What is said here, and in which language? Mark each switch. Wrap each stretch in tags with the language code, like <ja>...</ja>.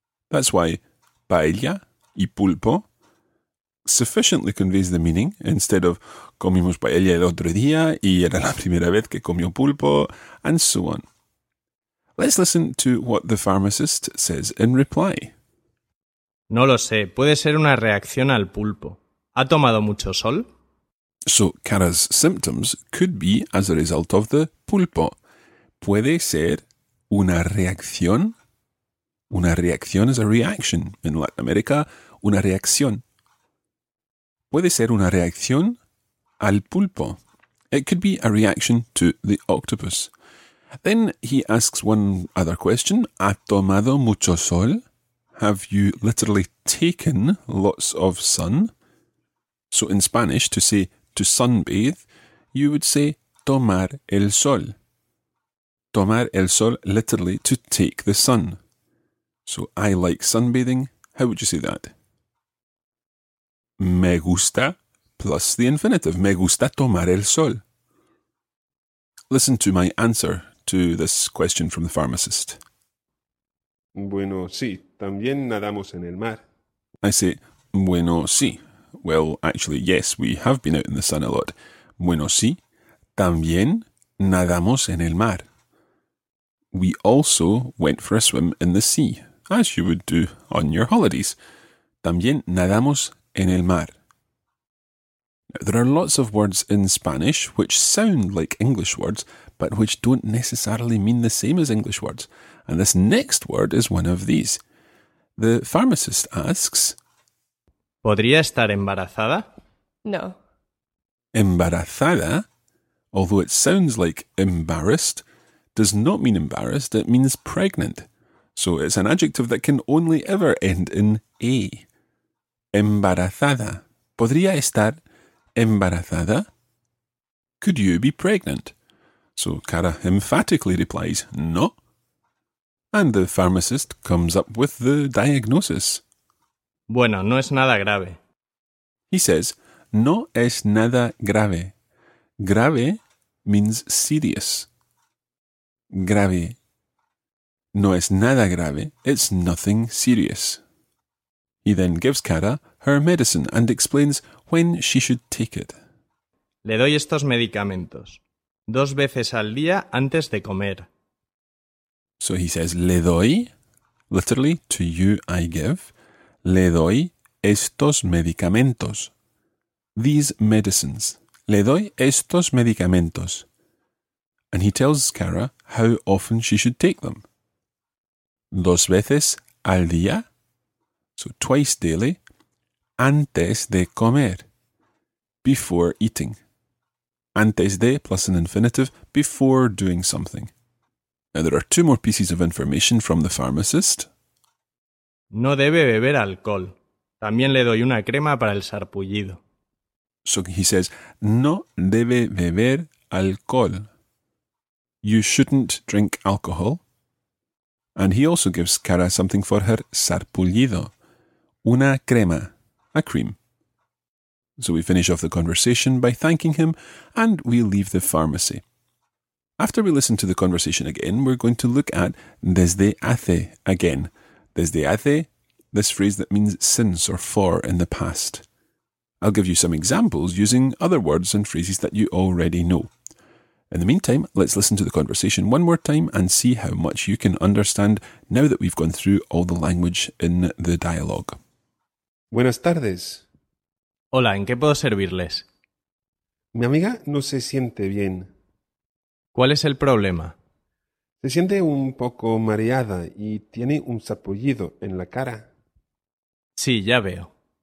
<en>That's why</en> <es>paella y pulpo</es> <en>sufficiently conveys the meaning, instead of</en> <es>comimos paella el otro día y era la primera vez que comió pulpo,</es> <en>and so on. Let's listen to what the pharmacist says in reply.</en> <es>No lo sé, puede ser una reacción al pulpo. ¿Ha tomado mucho sol?</es> <en>So Cara's symptoms could be as a result of the pulpo.</en> <es>Puede ser una reacción. Una reacción</es> <en>is a reaction in Latin America.</en> <es>Una reacción. Puede ser una reacción al pulpo.</es> <en>It could be a reaction to the octopus. Then he asks one other question.</en> <es>¿Ha tomado mucho sol?</es> <en>Have you literally taken lots of sun? So in Spanish, to say to sunbathe, you would say</en> <es>tomar el sol. Tomar el sol,</es> <en>literally to take the sun. So I like sunbathing. How would you say that?</en> <es>Me gusta</es> <en>plus the infinitive.</en> <es>Me gusta tomar el sol.</es> <en>Listen to my answer to this question from the pharmacist.</en> <es>Bueno, sí, también nadamos en el mar.</es> <en>I say,</en> <es>bueno, sí.</es> <en>Well, actually, yes, we have been out in the sun a lot.</en> <es>Bueno, sí, también nadamos en el mar.</es> <en>We also went for a swim in the sea, as you would do on your holidays.</en> <es>También nadamos en el mar.</es> <en>Now, there are lots of words in Spanish which sound like English words, but which don't necessarily mean the same as English words. And this next word is one of these. The pharmacist asks,</en> <es>¿Podría estar embarazada? No.</es> <en>Embarazada, although it sounds like embarrassed, does not mean embarrassed, it means pregnant. So it's an adjective that can only ever end in A.</en> <es>Embarazada. ¿Podría estar embarazada?</es> <en>Could you be pregnant? So Cara emphatically replies, no. And the pharmacist comes up with the diagnosis.</en> <es>Bueno, no es nada grave.</es> <en>He says,</en> <es>no es nada grave.</es> <en>Grave means serious. Grave.</en> <es>No es nada grave.</es> <en>It's nothing serious. He then gives Cara her medicine and explains when she should take it.</en> <es>Le doy estos medicamentos. Dos veces al día antes de comer.</es> <en>So he says,</en> <es>le doy, literally,</es> <en>to you I give,</en> <es>le doy estos medicamentos.</es> <en>These medicines.</en> <es>Le doy estos medicamentos.</es> <en>And he tells Cara how often she should take them.</en> <es>Dos veces al día.</es> <en>So twice daily.</en> <es>Antes de comer.</es> <en>Before eating. Antes de plus an infinitive, before doing something. Now there are two more pieces of information from the pharmacist.</en> <es>No debe beber alcohol. También le doy una crema para el sarpullido.</es> <en>So he says,</en> <es>no debe beber alcohol.</es> <en>You shouldn't drink alcohol. And he also gives Cara something for her sarpullido. Una crema, a cream. So we finish off the conversation by thanking him and we leave the pharmacy. After we listen to the conversation again, we're going to look at desde hace again. Desde hace, this phrase that means since or for in the past. I'll give you some examples using other words and phrases that you already know. In the meantime, let's listen to the conversation one more time and see how much you can understand now that we've gone through all the language in the dialogue.</en> <es>Buenas tardes. Hola, ¿en qué puedo servirles? Mi amiga no se siente bien. ¿Cuál es el problema? Se siente un poco mareada y tiene un sarpullido en la cara. Sí, ya veo.</es>